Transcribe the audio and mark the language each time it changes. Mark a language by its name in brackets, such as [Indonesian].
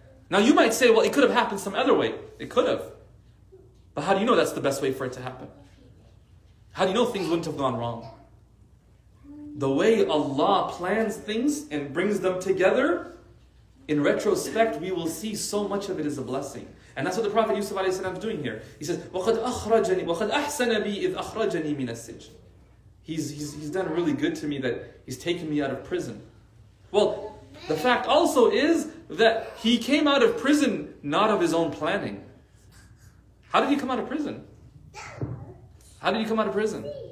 [English] Now you might say, well, it could have happened some other way. It could have. But how do you know that's the best way for it to happen? How do you know things wouldn't have gone wrong? The way Allah plans things and brings them together, in retrospect, we will see so much of it is a blessing. And that's what the Prophet Yusuf is doing here. He says, [Arabic] وَقَدْ أَخْرَجَنِي وَقَدْ أَحْسَنَ بِي إِذْ أَخْرَجَنِي مِنَ السِّجْنِ. [English] He's done really good to me that he's taken me out of prison. Well, the fact also is that he came out of prison not of his own planning. How did he come out of prison? How did he come out of prison?